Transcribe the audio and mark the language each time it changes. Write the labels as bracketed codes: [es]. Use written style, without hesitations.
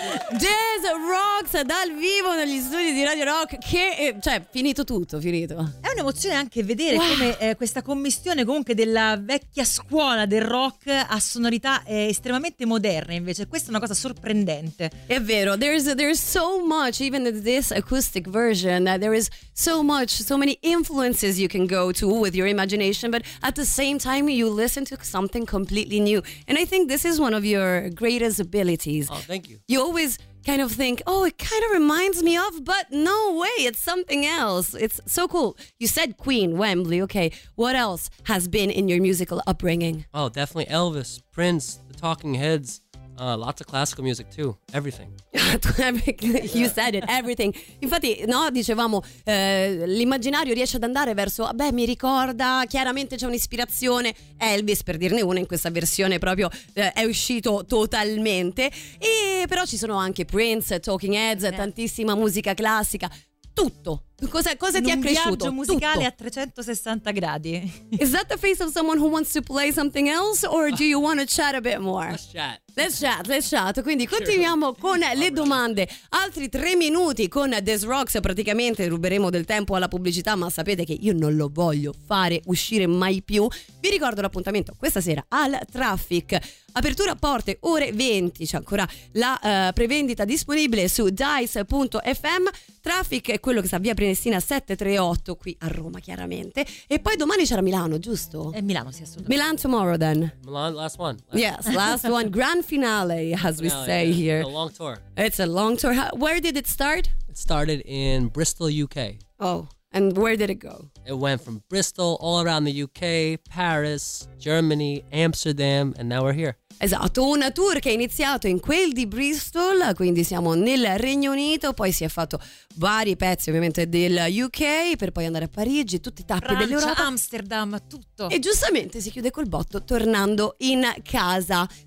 [it] Jazz Rocks dal vivo negli studi di Radio Rock. Che, cioè, finito tutto, finito. È un'emozione anche vedere come questa commistione comunque della vecchia scuola del rock a sonorità estremamente moderne, invece. Questa è una cosa sorprendente. È vero. [en] There's so much, even in this acoustic version, there is so much, so many influences you can go to with your imagination, but at the same time you listen to something completely new. And I think this is one of your greatest abilities. Oh, thank you. You always kind of think, oh, it kind of reminds me of, but no way, it's something else. It's so cool. You said Queen, Wembley, okay. What else has been in your musical upbringing? Oh, definitely Elvis, Prince, the Talking Heads, Lots of classical music too. Everything. You said it. Everything. [it] Infatti, no, dicevamo, l'immaginario riesce ad andare verso, beh, mi ricorda, chiaramente c'è un'ispirazione. Elvis, per dirne una, in questa versione proprio è uscito totalmente. E però ci sono anche Prince, Talking Heads, tantissima musica classica. Tutto. Cosa ti è cresciuto? Un viaggio musicale tutto. A 360 gradi. [en] Is that the face of someone who wants to play something else or do you want to chat a bit more? Let's chat. [it] Quindi continuiamo con le domande. Altri 3 minuti con This Rocks. Praticamente ruberemo del tempo alla pubblicità, ma sapete che io non lo voglio fare uscire mai più. Vi ricordo l'appuntamento questa sera al Traffic. Apertura porte ore 20. C'è ancora la prevendita disponibile su dice.fm. Traffic è quello che sta via Prenestina 738 qui a Roma, chiaramente. E poi domani c'era Milano, giusto? È Milano, sì, assolutamente. [en] Milan tomorrow then. Milan, last one. Yes, last one. Grand finale, as we say here. A long tour. It's a long tour. Where did it start? It started in Bristol, UK. Oh, and where did it go? It went from Bristol all around the UK, Paris, Germany, Amsterdam, and now we're here. [it] Esatto, una tour che è iniziato in quel di Bristol, quindi siamo nel Regno Unito, poi si è fatto vari pezzi ovviamente del UK per poi andare a Parigi, tutti i tappi dell'Europa, Francia, Amsterdam, tutto. E giustamente si chiude col botto tornando in casa.